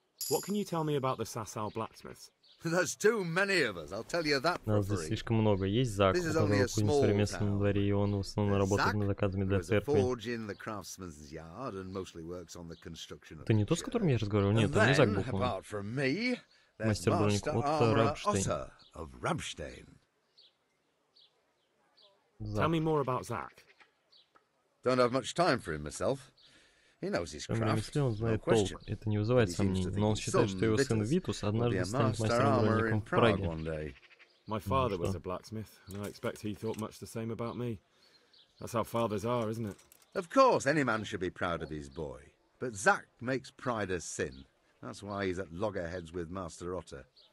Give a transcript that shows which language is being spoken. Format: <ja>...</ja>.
<en>What can you tell me about the Sasau blacksmiths? There's too many of us. I'll tell you that.</en> <ru>Нас здесь слишком много. Есть Зак, который кузнец в ремесленном дворе, и он в основном работает над заказами для церкви. Ты не тот, с которым я разговаривал? Нет, это не Зак был. Мастер броник Отто Рабштейн.</ru> <en>Tell me more about Zack. Don't have much time for him myself. He knows his craft.</en> <ru>Он знает толк. Это не вызывает сомнений, но он считает, что его сын Витус однажды станет мастером броником в Праге.</ru> <en>My father was a blacksmith, and I expect he thought much the same about me. That's how fathers are, isn't it? Of course, any man should be proud of his boy. But Zack makes pride a sin. That's why he's at loggerheads with Master Otter.</en>